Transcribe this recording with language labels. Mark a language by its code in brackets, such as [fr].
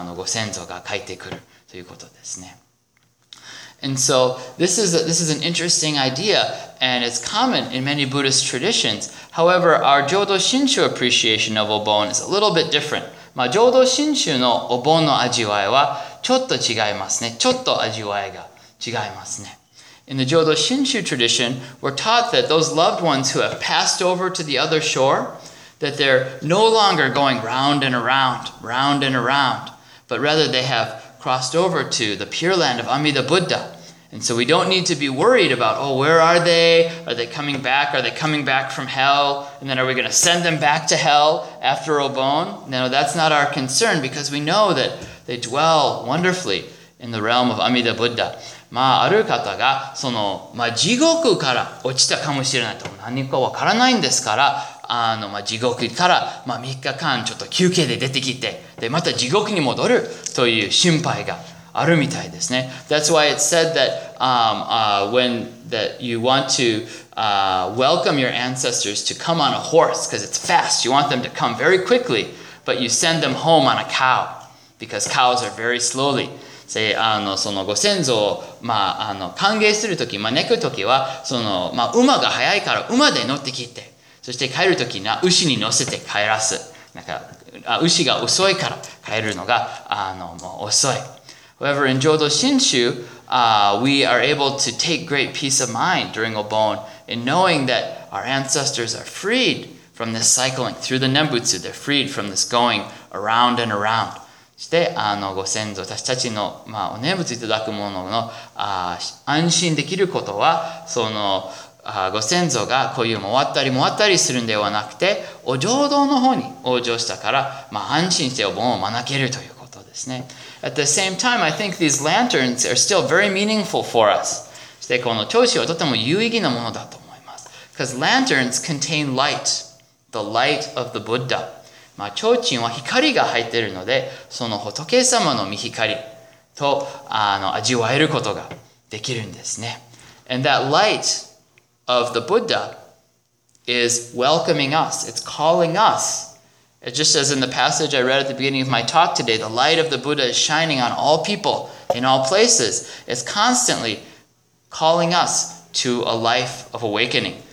[ja] ご先祖が帰ってくるということですね。 [en] And so this is an interesting idea, and it's common in many Buddhist traditions. However, our Jodo Shinshu appreciation of Obon is a little bit different. [ja] まあ、Jodo Shinshu のお盆の味わいはちょっと違いますね。ちょっと味わいが違いますね。 [en] In the Jodo Shinshu tradition, we're taught that those loved ones who have passed over to the other shore, that they're no longer going round and around, but rather they have crossed over to the pure land of Amida Buddha. And so we don't need to be worried about, oh, where are they? Are they coming back? Are they coming back from hell? And then are we going to send them back to hell after Obon? No, that's not our concern because we know that they dwell wonderfully in the realm of Amida Buddha. [ja] まあ、ある方が、その、まあ、地獄から落ちたかもしれないと何かわからないんですから、まあ、地獄から、まあ、3日間ちょっと休憩で出てきて、で、また地獄に戻るという心配があるみたいですね。 [en] That's why it's said that, when that you want to, welcome your ancestors to come on a horse, because it's fast. You want them to come very quickly, but you send them home on a cow, because cows are very slowly. Say, [ja] そのご先祖を、まあ、歓迎するとき、招くときは、その、まあ、馬が速いから馬で乗ってきて、そして帰るときには牛に乗せて帰らす。なんか、牛が遅いから帰るのが、もう遅い。 [en] However, in Jodo Shinshu, we are able to take great peace of mind during Obon in knowing that our ancestors are freed from this cycling through the Nembutsu. They're freed from this going around and around. [ja] して、ご先祖、私たちの、まあ、お念仏いただくものの、安心できることは、その、ご先祖がこういう回ったり回ったりするんではなくて、お浄土の方に往生したから、まあ、安心してお盆を招けるということですね。 [en] At the same time, I think these lanterns are still very meaningful for us. [ja] そしてこの聴衆はとても有意義なものだと思います。 [en] Because lanterns contain light, the light of the Buddha. [ja] まあ、聴衆は光が入っているので、その仏様の御光と味わえることができるんですね。 [en] And that light of the Buddha is welcoming us. It's calling us. Just as in the passage I read at the beginning of my talk today, the light of the Buddha is shining on all people in all places. It's constantly calling us to a life of awakening.